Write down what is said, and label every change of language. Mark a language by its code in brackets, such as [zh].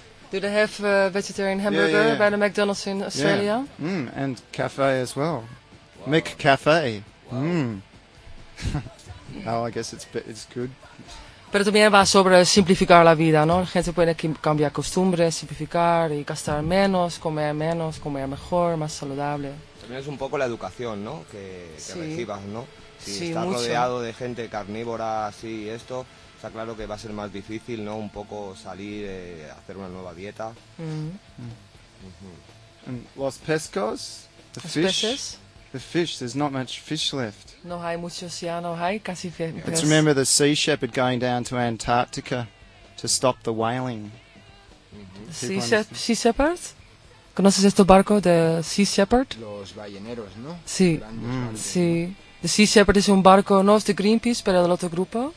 [en] Do they have vegetarian hamburger by the McDonald's in Australia? Yeah. Mm, and cafe as well. Wow. Mick Cafe. Wow. Mm. Oh, I guess it's good. [es] pero también va sobre simplificar la vida, ¿no? La gente puede cambiar costumbres, simplificar y gastar menos, comer mejor, más saludable. También es un poco la educación, ¿no? Que sí. Recibas, ¿no? Si sí, estás mucho. Rodeado de gente carnívora, así y esto, está claro que va a ser más difícil, ¿no? Un poco salir, hacer una nueva dieta. Los pescos, los peces. [en] The fish, there's not much fish left. [es] No hay muchos ya, no hay casi peces. [en] Let's remember the sea shepherd going down to Antarctica to stop the whaling. [es] Sea shepherd? ¿Conoces este barco de Sea Shepherd? Los balleneros, ¿no? Sí, sí. The Sea Shepherd es un barco, no es de Greenpeace, pero del otro grupo.